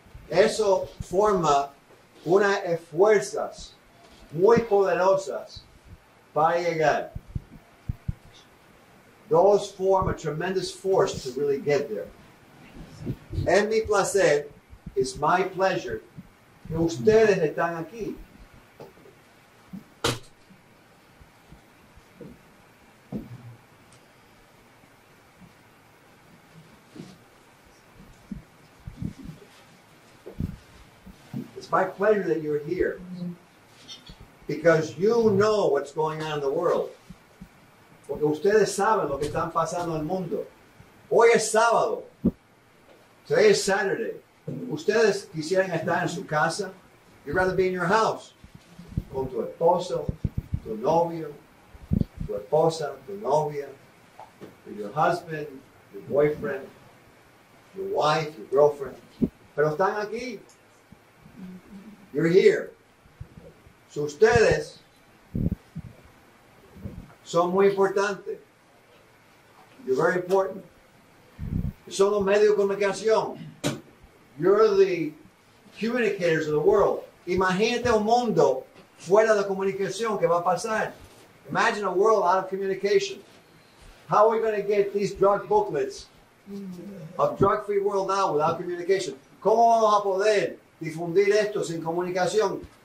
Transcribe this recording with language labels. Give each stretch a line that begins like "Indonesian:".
Spanish: Eso forma una fuerzas muy poderosas para llegar.
English: Those form a tremendous force to really get there.
Spanish: En mi placer,
English: it's my pleasure
Spanish: que ustedes están aquí.
English: It's my pleasure that you're here. Because you know what's going on in the world.
Spanish: Porque ustedes saben lo que están pasando en el mundo. Hoy es sábado.
English: Today is Saturday.
Spanish: Ustedes quisieran estar en su casa.
English: You'd rather be in your house.
Spanish: Con tu esposo, tu novio, tu esposa, tu novia,
English: your husband, your boyfriend, your wife, your girlfriend.
Spanish: Pero están aquí.
English: You're here.
Spanish: So ustedes son muy importantes.
English: You're very important.
Spanish: Son los medios de comunicación.
English: You're the communicators of the world.
Spanish: Imagínate un mundo fuera de comunicación que va a pasar.
English: Imagine a world out of communication. How are we going to get these drug booklets of drug-free world now without communication?
Spanish: ¿Cómo vamos a poder difundir esto sin comunicación?